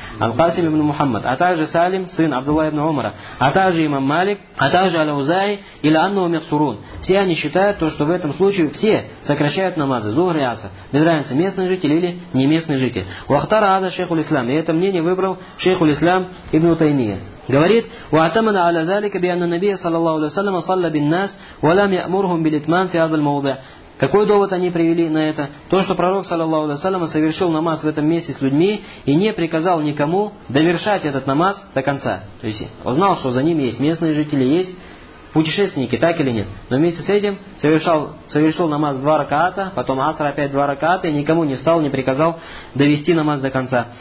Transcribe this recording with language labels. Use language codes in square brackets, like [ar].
[ru] Аль-Касим ибн Мухаммад. А также Салим, сын Абдулла ибн Умара. А также имам Малик. А также Аль-Узай. Или Анну Мехсурун. Все они считают, то, что в этом случае все сокращают намазы. Зухр и Аср. Без разницы, местный житель или не местный житель. [ar] Уахтара ада шейху ислам. [ru] И это мнение выбрал шейху ислам ибн Таймия. Говорит, [ar] واعتمد على ذلك بأن النبي صلى الله عليه وسلم صلى بالناس ولم يأمرهم بالإتمام في هذا الموضع. [ru] Какой довод они привели на это? То, что пророк, саллаллаху алейхи ва саллям, совершил намаз в этом месте с людьми и не приказал никому довершать этот намаз до конца. То есть он знал, что за ним есть местные жители, есть путешественники, так или нет. Но вместе с этим совершил намаз два раката, потом аср опять два раката, и никому не встал, не приказал довести намаз до конца.